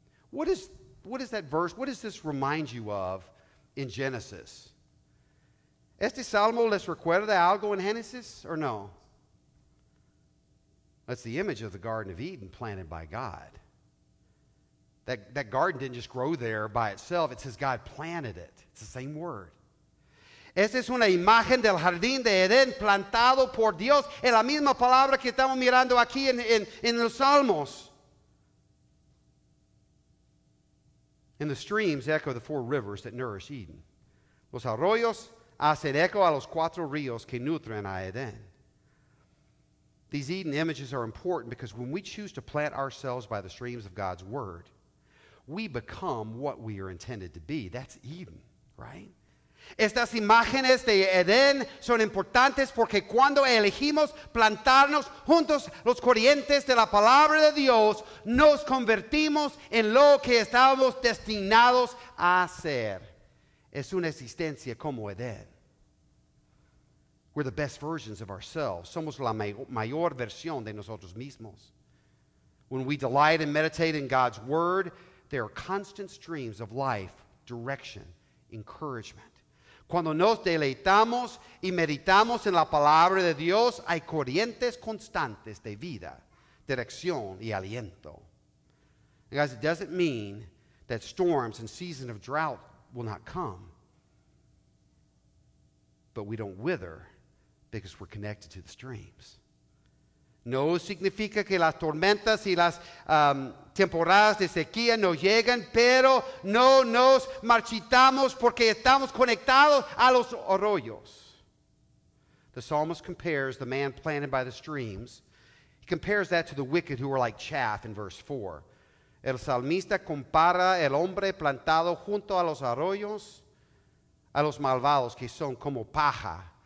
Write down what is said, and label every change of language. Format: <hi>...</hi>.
<en>What is that verse? What does this remind you of in Genesis?</en> <es>¿Este Salmo les recuerda algo en Génesis or no?</es> <en>That's the image of the Garden of Eden planted by God. That garden didn't just grow there by itself. It says God planted it. It's the same word.</en> <es>Esta es una imagen del jardín de Edén plantado por Dios. Es la misma palabra que estamos mirando aquí en los Salmos.</es> <en>And the streams echo the four rivers that nourish Eden.</en> <es>Los arroyos hacen eco a los cuatro ríos que nutren a Edén.</es> <en>These Eden images are important because when we choose to plant ourselves by the streams of God's word, we become what we are intended to be. That's Eden, right?</en> <es>Estas imágenes de Edén son importantes porque cuando elegimos plantarnos juntos los corrientes de la palabra de Dios, nos convertimos en lo que estábamos destinados a ser. Es una existencia como Edén.</es> <en>We're the best versions of ourselves.</en> <es>Somos la mayor versión de nosotros mismos.</es> <en>When we delight and meditate in God's word, there are constant streams of life, direction, encouragement.</en> <es>Cuando nos deleitamos y meditamos en la palabra de Dios, hay corrientes constantes de vida, dirección y aliento.</es> <en>And guys, it doesn't mean that storms and seasons of drought will not come, but we don't wither because we're connected to the streams.</en> <es>No significa que las tormentas y las temporadas de sequía no llegan, pero no nos marchitamos porque estamos conectados a los arroyos.</es> <en>The psalmist compares the man planted by the streams. He compares that to the wicked who are like chaff in verse 4.</en> <es>El salmista compara el hombre plantado junto a los arroyos a los malvados que son como paja.</es>